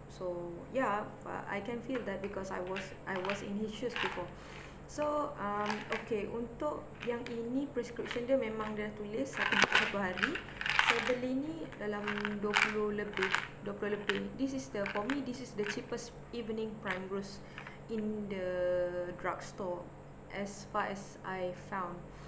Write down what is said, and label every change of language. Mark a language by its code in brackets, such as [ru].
[en] So yeah, I can feel that because I was in his shoes before. So, okay, [ms] untuk yang ini prescription dia memang dia dah tulis satu hari. Saya beli ni dalam 20 lebih. [en] This is the cheapest evening primrose in the drugstore as far as I found.